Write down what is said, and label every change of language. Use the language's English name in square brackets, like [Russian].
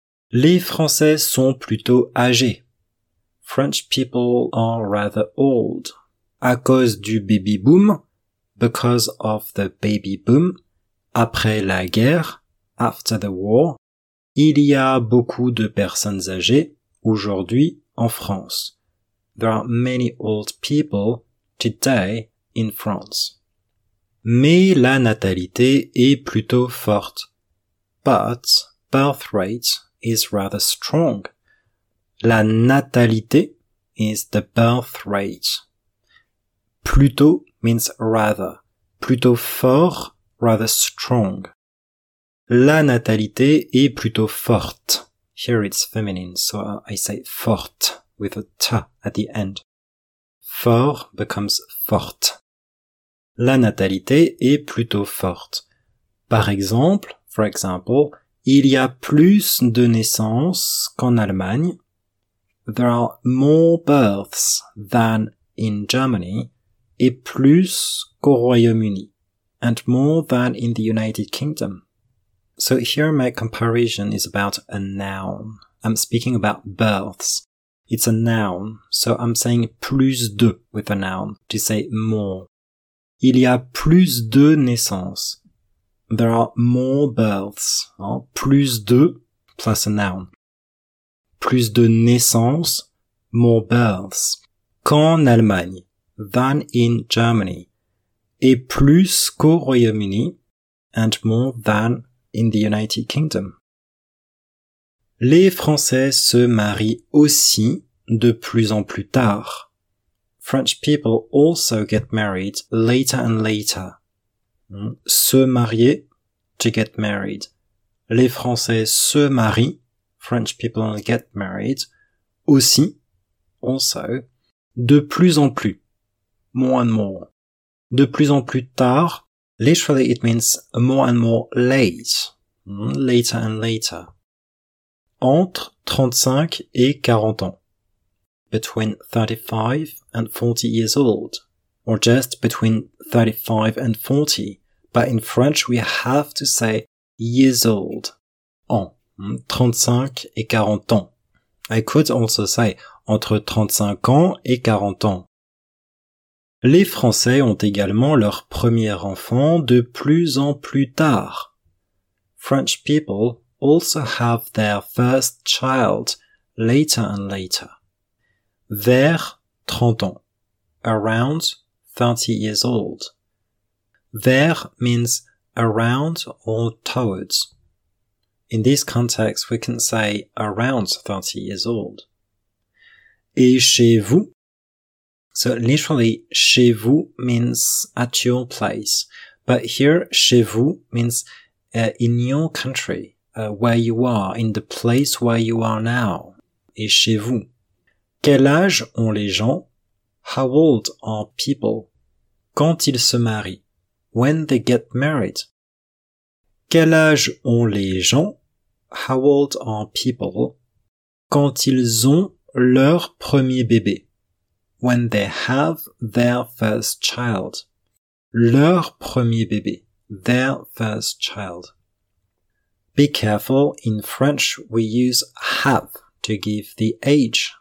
[French] Les Français sont plutôt âgés. [English] French people are rather old. [French] À cause du baby boom, [English] because of the baby boom, [French] après la guerre, [English] after the war, [French] il y a beaucoup de personnes âgées aujourd'hui en France. [English] There are many old people today in France. [French] Mais la natalité est plutôt forte. [English] But birth rate is rather strong. La natalité is the birth rate. Plutôt means rather. Plutôt fort, rather strong. [French] La natalité est plutôt forte. [English] Here it's feminine, so I say forte with a T at the end. Fort becomes forte. [French] La natalité est plutôt forte. Par exemple, [English] for example, [French] il y a plus de naissances qu'en Allemagne. [English] There are more births than in Germany [French] et plus qu'au Royaume-Uni. [English] and more than in the United Kingdom. So here my comparison is about a noun. I'm speaking about births. It's a noun, so I'm saying [French] plus de [English] with a noun to say more. [French] Il y a plus de naissances. [English] There are more births. Hein? [French] Plus de [English] plus a noun. [French] Plus de naissances, [English] more births. [French] Qu'en Allemagne, [English] than in Germany. [French] Et plus qu'au Royaume-Uni, [English] and more than in the United Kingdom. [French] Les Français se marient aussi de plus en plus tard. [English] French people also get married later and later. [French] Se marier, [English] to get married. [French] Les Français se marient, [English] French people get married, [French] aussi, [English] also, [French] de plus en plus, [English] more and more. [French] De plus en plus tard, [English] literally it means more and more late, later and later. [French] Entre 35 et 40 ans. [English] Between 35 and 40 years old. Or just between 35 and 40. But in French, we have to say years old. [French] En. 35 et 40 ans. [English] I could also say [French] entre 35 ans et 40 ans. Les Français ont également leur premier enfant de plus en plus tard. [English] French people also have their first child later and later. [French] Vers 30 ans. [English] Around 30 years old. Vers means around or towards. In this context, we can say around 30 years old. [French] Et chez vous? [English] So literally, chez vous means at your place. But here, chez vous means in your country. Where you are, in the place where you are now, [French] et chez vous. Quel âge ont les gens? [English] How old are people? [French] Quand ils se marient? [English] When they get married? [French] Quel âge ont les gens? [English] How old are people? [French] Quand ils ont leur premier bébé? [English] When they have their first child. [French] Leur premier bébé. [English] Their first child. Be careful, in French we use have to give the age.